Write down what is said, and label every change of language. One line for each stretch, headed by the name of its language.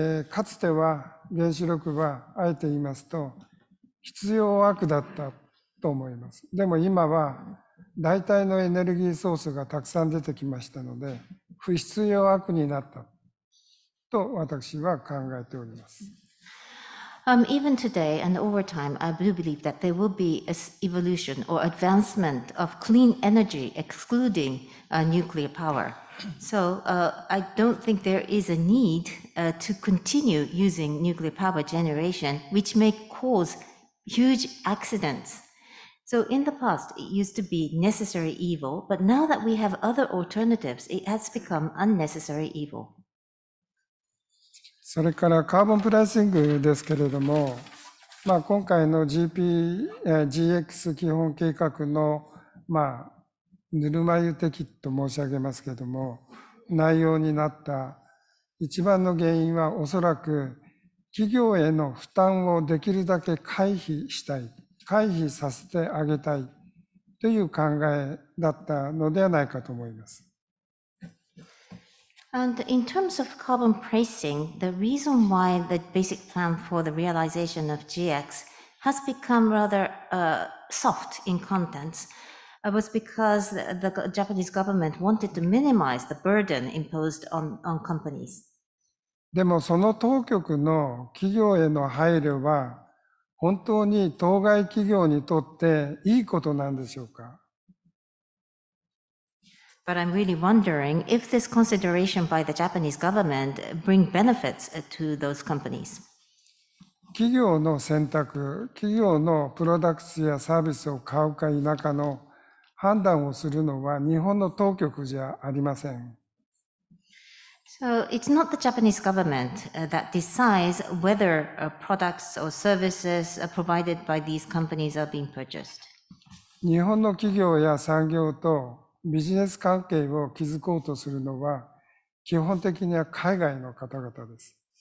Japanese: かつては原子力はあえて言いますと必要悪だったと思います。でも今は代替のエネルギーソースがたくさん出てきましたので不必要悪になったと私は考えております。
English: Even today and over time, I do believe that there will be an evolution or advancement of clean energy excluding nuclear power. So I don't think there is a need to continue using nuclear power generation, which may cause huge accidents. So in the past, it used to be necessary evil, but now that we have other alternatives, it has become unnecessary evil.
Japanese: それからカーボンプライシングですけれども、まあ、今回の GX 基本計画の、まあ、ぬるま湯的と申し上げますけれども、内容になった一番の原因はおそらく企業への負担をできるだけ回避したい、回避させてあげたいという考えだったのではないかと思います。
English: And in terms of carbon pricing, the reason why the basic plan for the realization of GX has become rather soft in contents was because the Japanese government wanted to minimize the burden imposed on companies.
Japanese: でもその当局の企業への配慮は本当に当該企業にとっていいことなんでしょうか？
English: But I'm really wondering if this consideration by the Japanese government bring benefits to those companies.
Japanese: 企業の選択、企業のプロダクツやサービスを買うか否かの判断をするのは日本の当局じゃありません。
English: So it's not the Japanese government that decides whether products or services provided by these companies are being purchased.
Japanese: 日本の企業や産業とビジネス関係を築こうとするのは基本的には海外の方々です。